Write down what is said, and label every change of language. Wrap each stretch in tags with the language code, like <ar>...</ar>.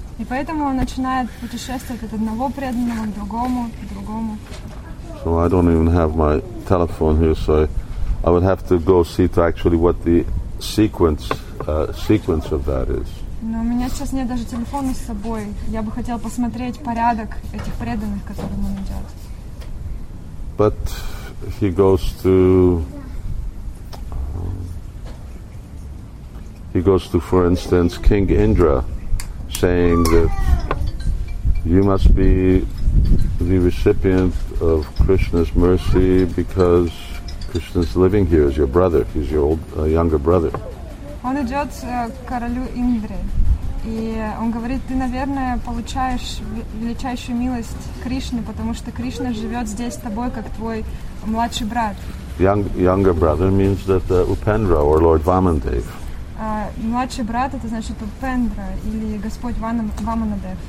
<ru>И поэтому он начинает путешествовать от одного преданного к другому,</ru> <en>So I don't even have my telephone here, so I would have to go see to actually what the sequence of that is.</en> <ru>Но у меня сейчас нет даже телефона с собой. Я бы хотел посмотреть порядок этих преданных, которые он идет.</ru> <en>But he goes to He goes to, for instance, King Indra, saying that you must be the recipient of Krishna's mercy because Krishna's living here as your brother. He's your old, younger brother.</en> <ru>Он идет королю Индре, и он говорит: ты, наверное, получаешь величайшую милость Кришны, потому что Кришна живет здесь с тобой как твой младший брат.</ru> <en>Younger brother means that Upendra or Lord Vamandev.</en> <ru>Младший брат — это значит Упендра или Господь Ваманадев.</ru>